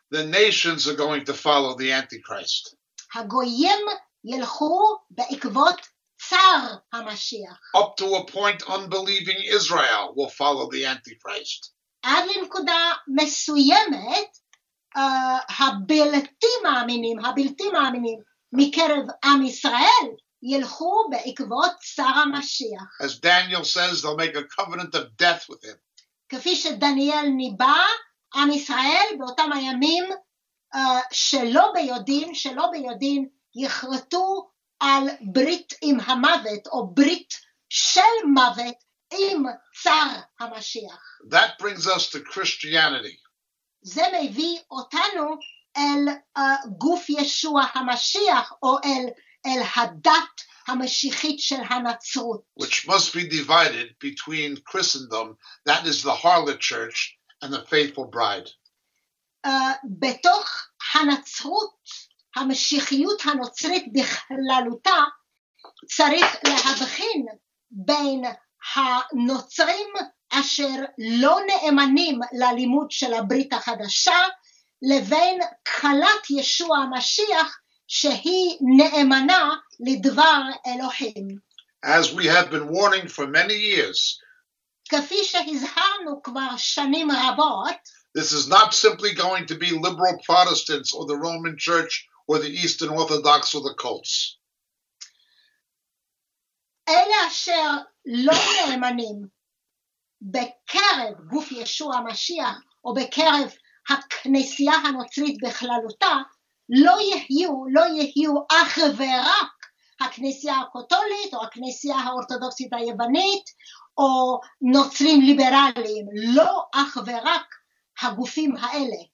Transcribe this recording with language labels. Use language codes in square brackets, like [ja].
[en] The nations are going to follow the Antichrist. [he] הגויים ילכו בעקבות צר המשיח. [en] Up to a point, unbelieving Israel will follow the Antichrist. [he] עד לנקודה מסוימת, הבלתי מאמינים, הבלתי מאמינים מקרב עם ישראל, ילכו בעקבות שר המשיח. [en] As Daniel says, they'll make a covenant of death with him. [he] כפי שדניאל ניבא, עם ישראל באותם הימים שלא ביודעים יחרטו על ברית עם המוות או ברית של מוות עם צר המשיח. [en] That brings us to Christianity. [he] זה מביא אותנו אל גוף ישוע המשיח או אל הדת המשיחית של הנצרות. [en] Which must be divided between Christendom, that is the harlot church, and the faithful bride. [he] בתוך הנצרות, המשיחיות הנוצרית בכללותה, צריך להבחין בין הנוצרים אשר לא נאמנים ללימוד של הברית החדשה, לבין קלת ישוע המשיח שהיא נאמנה לדבר אלוהים. [en] As we have been warning for many years, [he] כפי שהזהרנו כבר שנים רבות, [en] this is not simply going to be liberal Protestants or the Roman Church or the Eastern Orthodox or the cults. [he] אלה אשר לא נאמנים בקרב גוף ישוע המשיח או בקרב הכנסייה הנוצרית בכללותה, לא יהיו אך ורק הכנסייה הקתולית או הכנסייה האורתודוקסית היוונית או נוצרים ליברליים, לא אך ורק הגופים האלה.